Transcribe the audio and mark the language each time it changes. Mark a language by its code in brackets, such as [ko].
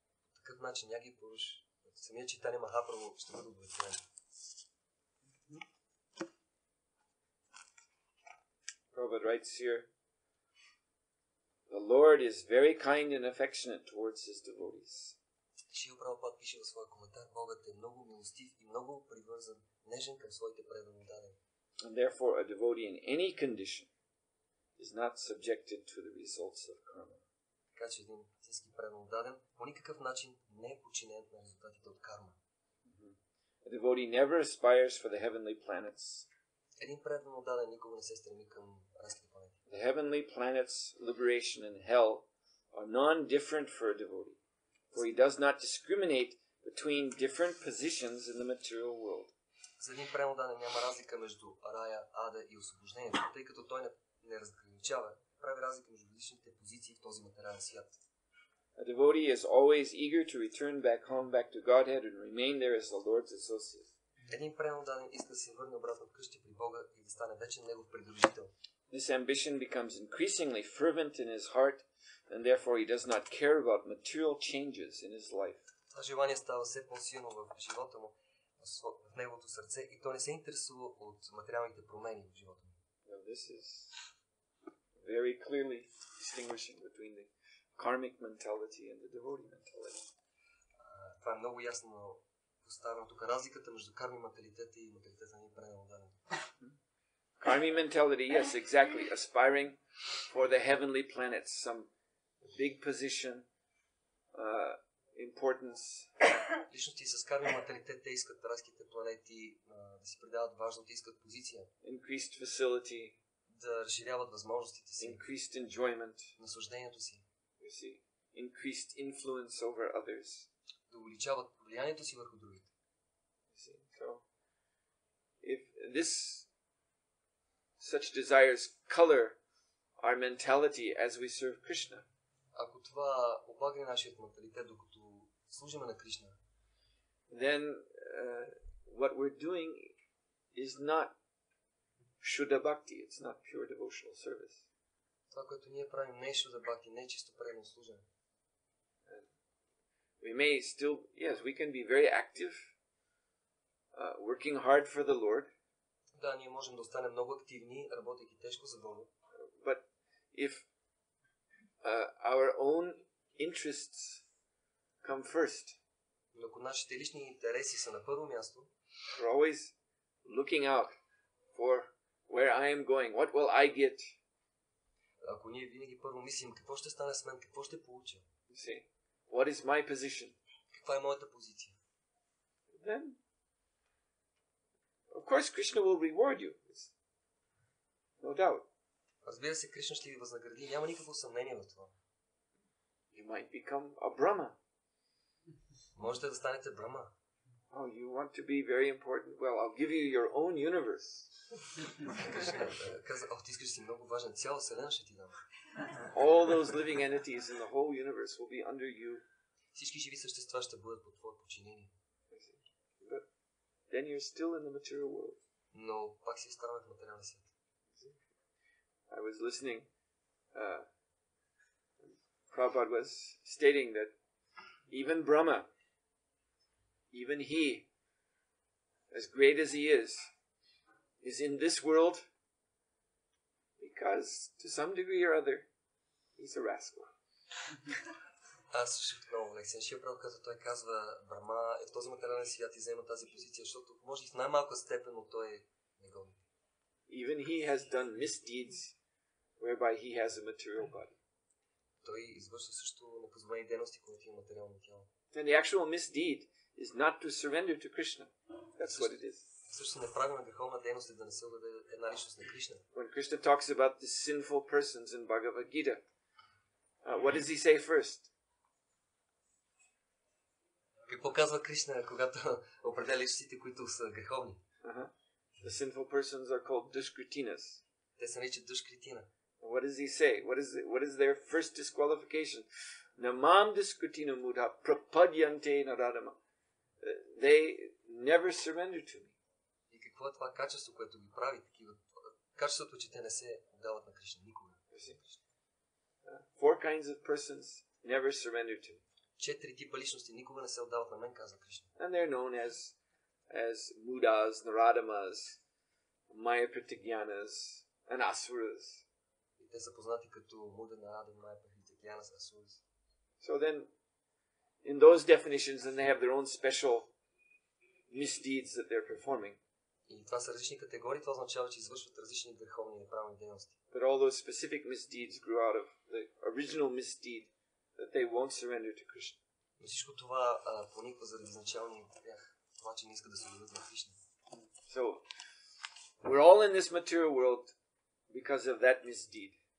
[bg] По такъв начин, Yagya Purush, самия Chaitanya Mahaprabhu ще бъде удовлетворен. [en] Prabhupada writes here, the Lord is very kind and affectionate towards his devotees. [bg] Шрила Прабхупад пише в своя коментар, Богът е много милостив и много привързан, нежен към своите преданодари. [en] And therefore a devotee in any condition is not subjected to the results of karma. [bg] Така че един истински преданодарен по никакъв начин не е подчинен на резултатите от карма. [en] A devotee never aspires for the heavenly planets. [bg] Един преданодарен никога не се стреми към райските планети. [en] The heavenly planets, liberation and hell, are non-different for a devotee, for he does not discriminate between different positions in the material world. [bg] За един преданодарен няма разлика между рая, ада и освобождението, тъй като той не разграничава, прави разлика между различните позиции в този материален свят. [en] A devotee is always eager to return back home, back to Godhead, and remain there as the Lord's associate. [bg] Един преданодарен иска да се върне обратно вкъщи при Бога и да стане вече негов придружител. [en] This ambition becomes increasingly fervent in his heart, and therefore he does not care about material changes in his life. [bg] Това желание става все по-силно в живота му, в неговото сърце, и то не се интересува от материалните промени в живота му. [en] Now this is very clearly distinguishing between the karmic mentality and the devotee mentality. [bg] Това е много ясно поставено тук, разликата между карми менталитета и менталитета на преданодарен. [en] Karmi mentality, yes, exactly, aspiring for the heavenly planets, some big position, importance. [bg] Личности с карми менталитет, те искат райските планети да си придават важност, искат позиция. [en] Increased facility. [bg] Да разширяват възможностите си. [en] Increased enjoyment. [bg] Наслаждението си. [en] You see, increased influence over others. [bg] Да увеличават влиянието си върху другите. [en] You see, so, if this... Such desires color our mentality as we serve Krishna. [bg] Ако това обагне нашият менталитет, докато служим на Кришна, [en] then what we're doing is not shuddha bhakti, it's not pure devotional service. [bg] Това, което ние правим, не е shuddha bhakti, не е чисто преданно служене. [en] We may still, yes, we can be very active, working hard for the Lord. [bg] Да, ние можем да останем много активни, работейки тежко за Бога. [en] But if our own interests come first, [bg] ако нашите лични интереси са на първо място, [en] we're always looking out for where I am going, what will I get? [bg] Ако ние винаги първо мислим, какво ще стане с мен, какво ще получа? [en] See, what is my position? [bg] Каква е моята позиция? [en] Then, of course, Krishna will reward you. No doubt. [bg] Разбира се, Кришна ще ви възнагради. Няма никакво съмнение в това. [en] You might become a Brahma. [bg] Можете да станете Брама. [en] Oh, you want to be very important? Well, I'll give you your own universe. [bg] Кришна каза, ох, ти искаш си много важен. Цяла вселена ще ти дам. [en] All those living entities in the whole universe will be under you. [bg] Всички живи същества ще бъдат под твоето подчинение. [en] Then you're still in the material world. [bg] Но пак си останал в материалния свят. [en] I was listening. Prabhupada was stating that even Brahma, even he, as great as he is in this world because to some degree or other, he's a rascal. [bg] Аз слушах много лекция. Шрила Прабхупада, той казва, Брама е в този материален свят и взема тази позиция, защото може и в най-малка степен, но той е негоден. [en] Even he has done misdeeds whereby he has a material body. [bg] Той извършва също непозволени дейности, когато има материално тяло. [en] And the actual misdeed is not to surrender to Krishna. That's what it is. [bg] Всъщност неправилна греховна дейност е да не се отдаде една личност на Кришна. [en] When Krishna talks about the sinful persons in Bhagavad Gita, what does he say first? [bg] Какво казва Кришна, когато определя личностите, които са греховни? [en] The sinful persons are called duskritinas. [bg] Те се наричат duskritina. [en] What does he say? What is their first disqualification? [sa] Namam duskritina mudha prapadyante naradama. [en] They never surrender to me. [bg] И какво е това качество, което ги прави такива? Качеството, че те не се отдават на Кришна никога. [en] Four kinds of persons never surrender to me. [bg] Четири типа личности никога не се отдават на мен, каза Кришна. [en] And they're known as mudas, naradamas, maya pratigyanas and asuras. [bg] И те са познати като муда, нарада, майя пратигьянас, асурас. [en] So then in those definitions then they have their own special misdeeds that they're performing. [bg] И това са различни категории, това означава, че извършват различни греховни неправилни дейности. [en] But all those specific misdeeds grew out of the original misdeed that they won't surrender to Krishna. [bg] Но всичко това поникло заради изначални грях, това, че не иска да се отдадат на Кришна. [en] So we're all in this material world because of that misdeed.